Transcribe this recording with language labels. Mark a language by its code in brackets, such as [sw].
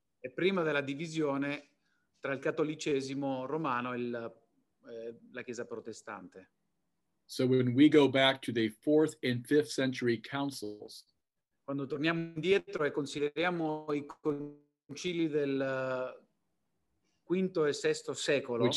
[it] E prima della divisione tra il cattolicesimo romano e la Chiesa protestante. [en] So when we go back to the 4th and 5th century councils, [it] quando torniamo indietro e consideriamo i concili del quinto e sesto secolo,